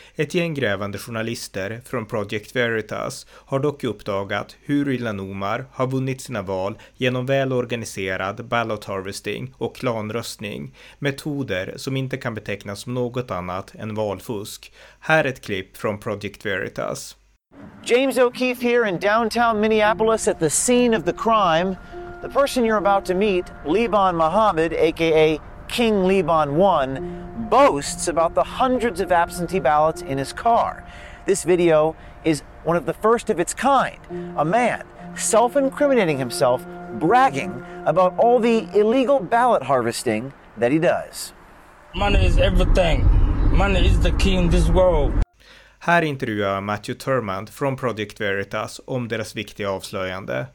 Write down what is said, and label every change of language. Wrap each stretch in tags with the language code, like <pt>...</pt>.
<sv>Ett gäng grävande journalister från Project Veritas har dock uppdagat hur Ilhan Omar har vunnit sina val genom välorganiserad ballot harvesting och klanröstning med metoder som inte kan betecknas som något annat än valfusk. Här ett klipp från Project Veritas.</sv> <en>James O'Keefe here in downtown Minneapolis at the scene of the crime. The person you're about to meet, Liban Mohammed, aka King Liban 1, boasts about the hundreds of absentee ballots in his car. This video is one of the first of its kind. A man self-incriminating himself, bragging about all the illegal ballot harvesting that he does. Money is everything. Money is the key in this world.</en> <sv>Här intervjuar jag Matthew Turmand från Project Veritas om deras viktiga avslöjande.</sv>